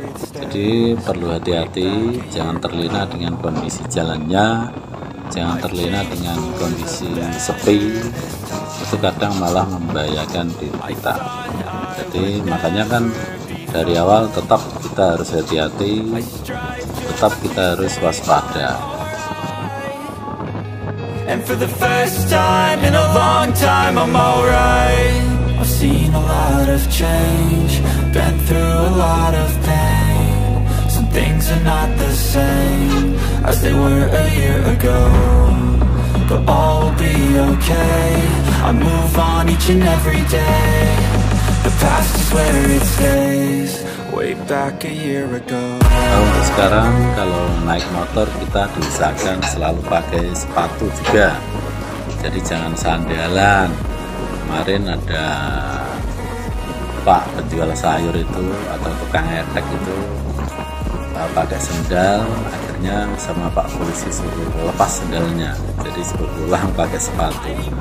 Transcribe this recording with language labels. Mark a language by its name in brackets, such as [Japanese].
[Indonesian] Jadi perlu hati-hati, jangan terlena dengan kondisi jalannya, jangan terlena dengan kondisi sepi, itu kadang malah membahayakan diri kita. Jadi makanya kan dari awal tetap kita harus hati-hati, tetap kita harus waspada. [English] And for the first time in a long time, I'm alright. I've seen a lot of change, been through a lot of pain. Some things are not the same as they were a year ago, but all will be okay. I move on each and every day. The past is where it stays, way back a year ago. [Indonesian] Nah, untuk sekarang kalau naik motor kita diusahakan selalu pakai sepatu juga. Jadi jangan sandalan. Kemarin ada Pak penjual sayur itu atau tukang etek itu pakai sendal, akhirnya sama Pak Polisi suruh lepas sendalnya. Jadi suruh pulang pakai sepatu.